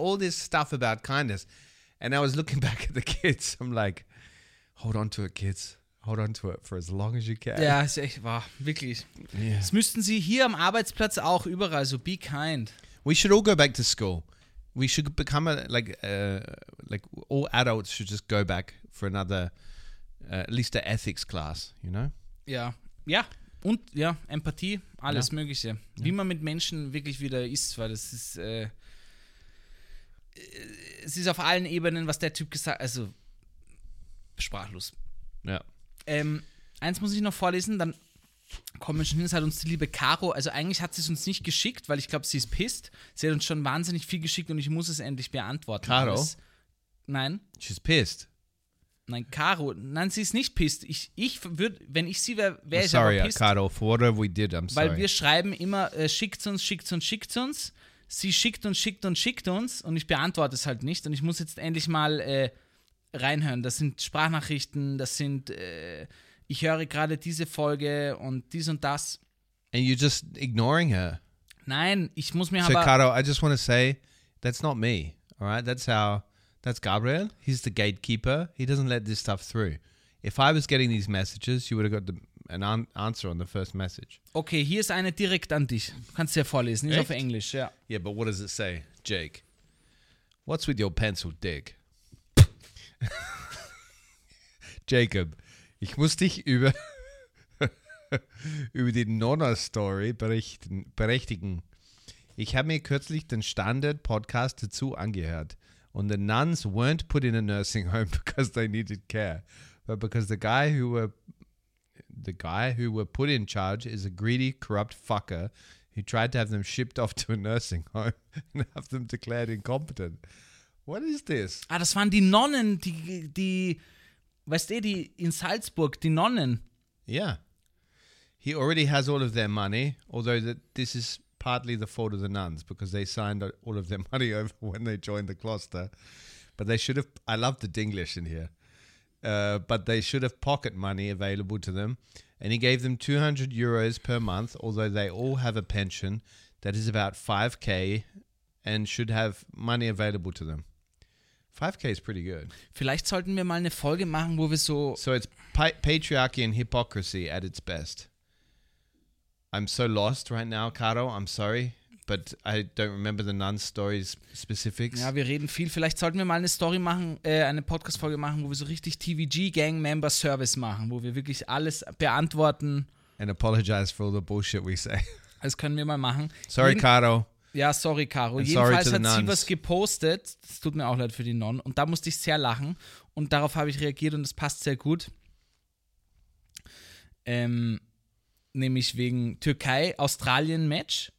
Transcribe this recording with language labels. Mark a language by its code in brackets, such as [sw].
[en] All this stuff about kindness. And I was looking back at the kids. I'm like, hold on to it, kids. Hold on to it for as long as you can. [de] Ja, ist echt wahr. Wirklich. [en] Yeah. [de] Das müssten sie hier am Arbeitsplatz auch überall so. [en] Be kind. We should all go back to school. We should become all adults should just go back for another... at least the ethics class, you know? [de] Ja, ja. Und ja, Empathie, alles ja. Mögliche. Ja. Wie man mit Menschen wirklich wieder ist, weil das ist, es ist auf allen Ebenen, was der Typ gesagt hat, also sprachlos. Ja. Eins muss ich noch vorlesen, dann kommen wir schon hin, es hat uns die liebe Caro, also eigentlich hat sie es uns nicht geschickt, weil ich glaube, sie ist pissed. Sie hat uns schon wahnsinnig viel geschickt und ich muss es endlich beantworten. Caro? Nein. [en] She's pissed. [de] Nein, Caro, nein, sie ist nicht pissed. Ich würde, wenn ich sie wäre, wäre ich [en] sorry, [de] aber pissed. [en] Sorry, Caro, for whatever we did, I'm sorry. [de] Weil wir schreiben immer, schickt uns. Sie schickt uns und ich beantworte es halt nicht. Und ich muss jetzt endlich mal reinhören. Das sind Sprachnachrichten, das sind, ich höre gerade diese Folge und dies und das. [en] And you're just ignoring her. [de] Nein, ich muss mir so aber... [en] So, Caro, I just want to say, that's not me, all right? That's how... That's Gabriel. He's the gatekeeper. He doesn't let this stuff through. If I was getting these messages, you would have got an answer on the first message. [de] Okay, hier ist eine direkt an dich. Kannst du ja vorlesen. Ist auf Englisch, ja. [en] Yeah, but what does it say, Jake? What's with your pencil dick? [de] Jacob, ich muss dich über über die Nonna-Story berichtigen. Ich habe mir kürzlich den Standard-Podcast dazu angehört. [en] And the nuns weren't put in a nursing home because they needed care, but because the guy who were put in charge is a greedy, corrupt fucker who tried to have them shipped off to a nursing home and have them declared incompetent. What is this? [de] Ah, das waren die Nonnen, die in Salzburg, die Nonnen. [en] Yeah. He already has all of their money, although this is... partly the fault of the nuns because they signed all of their money over when they joined the cloister. But they should have... I love the Dinglish in here. But they should have pocket money available to them. And he gave them 200 euros per month, although they all have a pension that is about 5K and should have money available to them. 5K is pretty good. [de] Vielleicht sollten wir mal eine Folge machen, wo wir so... [en] So it's patriarchy and hypocrisy at its best. I'm so lost right now, Caro. I'm sorry, but I don't remember the nun's story's specifics. [de] Ja, wir reden viel. Vielleicht sollten wir mal eine Story machen, eine Podcast-Folge machen, wo wir so richtig TVG-Gang-Member-Service machen, wo wir wirklich alles beantworten. [en] And apologize for all the bullshit we say. [de] Das können wir mal machen. [en] Sorry, Caro. [de] Ja, sorry, Caro. And jedenfalls [en] sorry to hat the nuns. [de] Sie was gepostet. Das tut mir auch leid für die Nonnen. Und da musste ich sehr lachen. Und darauf habe ich reagiert und das passt sehr gut. Nämlich wegen Türkei-Australien-Match.